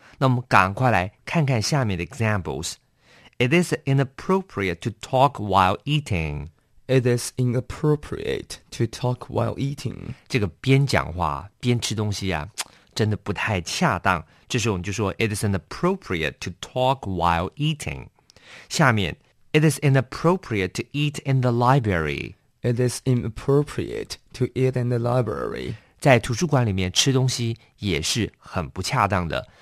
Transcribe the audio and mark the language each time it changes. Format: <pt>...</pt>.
<zh>那我们赶快来看看下面的</zh> <en>examples. It is inappropriate to talk while eating. It is inappropriate to talk while eating.</en> <zh>这个边讲话边吃东西啊，真的不太恰当。这时候你就说</zh> <en>It is inappropriate to talk while eating.</en> <zh>下面</zh> <en>It is inappropriate to eat in the library. It is inappropriate to eat in the library.</en> <zh>在图书馆里面吃东西也是很不恰当的。</zh>